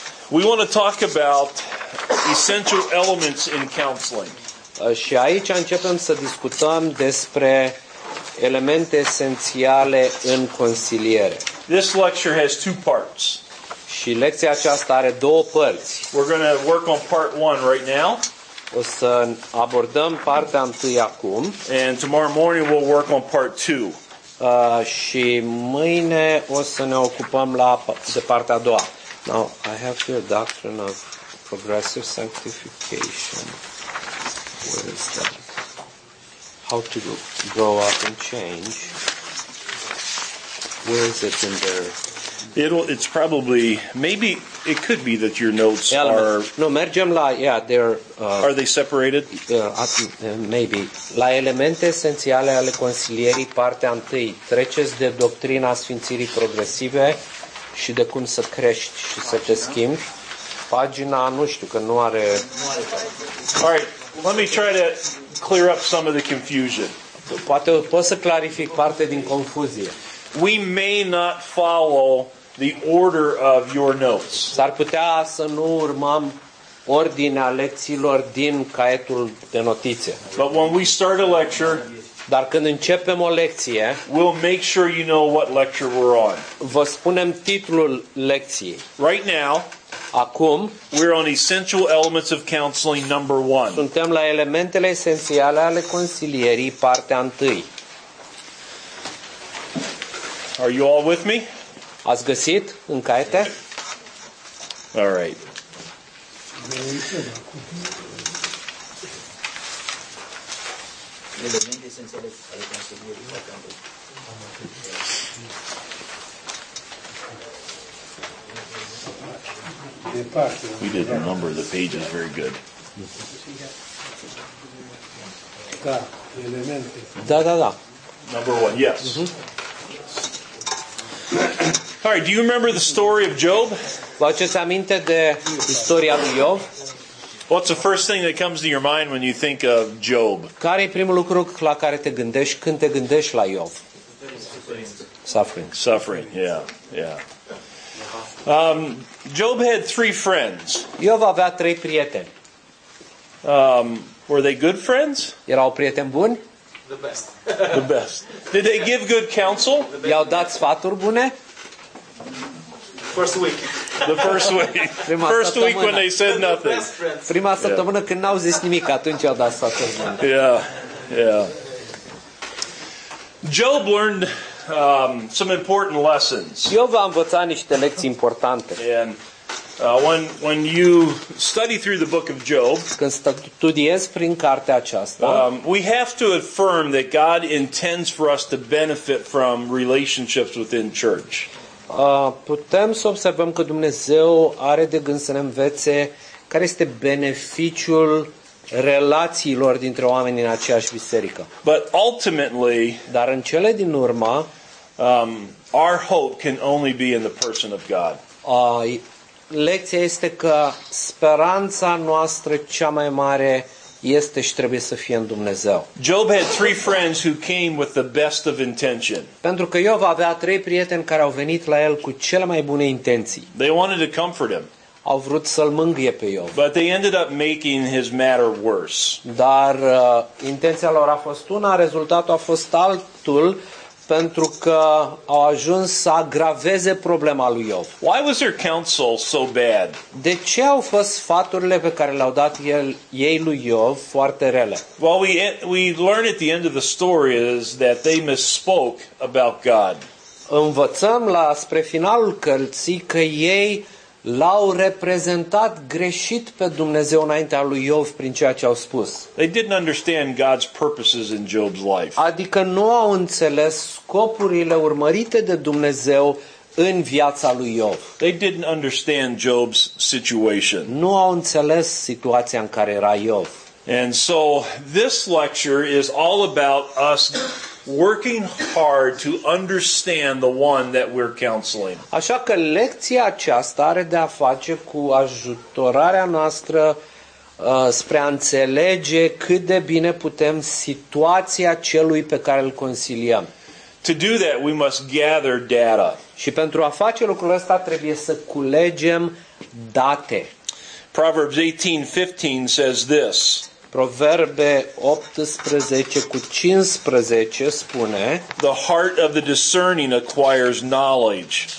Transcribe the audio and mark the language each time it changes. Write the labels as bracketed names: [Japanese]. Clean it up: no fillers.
[English] We want to talk about essential elements in counseling. [Romanian] Și aici începem să discutăm despre elemente esențiale în consiliere. [English] This lecture has two parts. [Romanian] Și lecția aceasta are două părți. [English] We're going to work on part 1 right now. [Romanian] O să abordăm partea întâi acum. [English] And tomorrow morning we'll work on part 2. [Romanian] Și mâine o să ne ocupăm la de partea a doua. [English] Now, I have here a doctrine of progressive sanctification. Where is that? How to grow up and change. Where is it in there? It's probably, maybe, it could be that your notes are... No, [Romanian] mergem la, [English] yeah, they're... Are they separated? Maybe. [Romanian] La elemente esențiale ale consilierii, partea întâi. Treceți de doctrina sfințirii progresive și de cum să crești și să te schimbi. Pagina, nu știu, că nu are... [English] All right, let me try to clear up some of the confusion. [Romanian] Poate pot să clarific parte din confuzie. [English] We may not follow the order of your notes. [Romanian] S-ar putea să nu urmăm ordinea lecțiilor din caietul de notițe. [English] But when we start a lecture, [Romanian] dar când începem o lecție, [English] we'll make sure you know what lecture we're on. [Romanian] Vă spunem titlul lecției. [English] Right now, [Romanian] acum, [English] we're on essential elements of counseling number 1. [Romanian] Suntem la elementele esențiale ale consilierii, partea 1. [English] Are you all with me? [Romanian] Ați găsit în carte? [English] All right. We didn't number the pages very good. [Romanian] Da. [English] Number one, yes. Mm-hmm. All right, do you remember the story of Job? [Romanian] Vă aduceți aminte de istoria lui Iov? [English] What's the first thing that comes to your mind when you think of Job? [Romanian] Care e primul lucru la care te gândești când te gândești la Iov? [English] Suffering, yeah. Job had three friends. [Romanian] Iov avea trei prieteni. [English] Were they good friends? [Romanian] Erau prieteni buni? [English] The best. Did they give good counsel? [Romanian] I-au dat sfaturi bune? [English] The first week when they said nothing. [Romanian] Prima săptămână când n-au zis nimic, atunci i-au dat sfaturi bune. [English] Yeah. Job learned some important lessons. [Romanian] Iov a învățat niște lecții importante. [English] And when you study through the book of Job, [Romanian] când studiezi prin cartea aceasta, [English] we have to affirm that God intends for us to benefit from relationships within church. [Romanian] Putem să observăm că Dumnezeu are de gând să ne învețe care este beneficiul relațiilor dintre oameni în aceeași biserică. [English] But ultimately, [Romanian] dar în cele din urmă, [English] our hope can only be in the person of God. [Romanian] Lecția este că speranța noastră cea mai mare este și trebuie să fie în Dumnezeu. [English] Job had three friends who came with the best of intention. [Romanian] Pentru că Iov avea trei prieteni care au venit la el cu cele mai bune intenții. [English] They wanted to comfort him. [Romanian] Au vrut să-l mângâie pe Iov. [English] But they ended up making his matter worse. [Romanian] Dar intenția lor a fost una, rezultatul a fost altul, pentru că au ajuns să agraveze problema lui Iov. [English] Why was their counsel so bad? [Romanian] De ce au fost sfaturile pe care le-au dat ei lui Iov foarte rele? [English] Well, we learn at the end of the story is that they misspoke about God. [Romanian] Învățăm la spre finalul cărții că ei l-au reprezentat greșit pe Dumnezeu înaintea lui Iov prin ceea ce au spus. [English] They didn't understand God's purposes in Job's life. [Romanian] Adică nu au înțeles scopurile urmărite de Dumnezeu în viața lui Iov. [English] They didn't understand Job's situation. [Romanian] Nu au înțeles situația în care era Iov. [English] And so this lecture is all about us working hard to understand the one that we're counseling. [Romanian] Așa că lecția aceasta are de a face cu ajutorarea noastră spre a înțelege cât de bine putem situația celui pe care îl consiliem. [English] To do that, we must gather data. [Romanian] Și pentru a face lucrul ăsta trebuie să culegem date. [English] Proverbs 18:15 says this. [Romanian] Proverbe 18:15 spune: [English] The heart of the discerning acquires knowledge.